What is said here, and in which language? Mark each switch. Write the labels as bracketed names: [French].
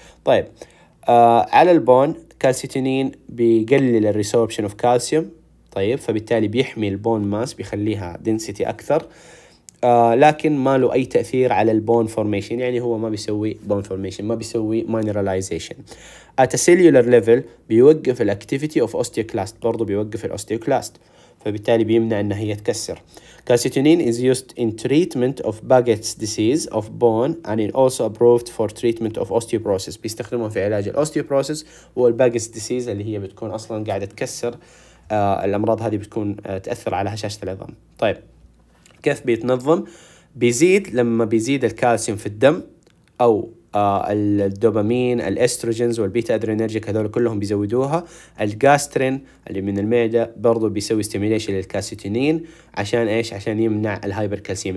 [Arabic] طيب على البون كالسيتونين بيقلل الريسوربشن اوف كالسيوم، طيب فبالتالي بيحمي البون ماس بيخليها دنسيتي اكثر. لكن ما له أي تأثير على البون فورميشن، يعني هو ما بيسوي بون فورميشن، ما بيسوي مينراليزيشن. [English] At a cellular level [Arabic] بيوقف الاكتيفيتي اوف اوستيوكلاست، برضو بيوقف الاوستيوكلاست، فبالتالي بيمنع انها هي تكسر. [English] Calcitonin is used in treatment of Paget's disease of bone and it also approved for treatment of osteoporosis، [Arabic] بيستخدمه في علاج الاوستيوبروسيس والباجتس ديزيز اللي هي بتكون اصلا قاعدة تكسر. الامراض هذه بتكون تأثر على هشاشة العظام. طيب كيف بيتنظم؟ بيزيد لما بيزيد الكالسيوم في الدم او الدوبامين الاستروجينز والبيتا ادرينرجيك، هذول كلهم بيزودوها. الجاسترين اللي من المعدة برضو بيسوي استيميليشن للكالسيتونين، عشان ايش؟ عشان يمنع الهايبر كالسيوم.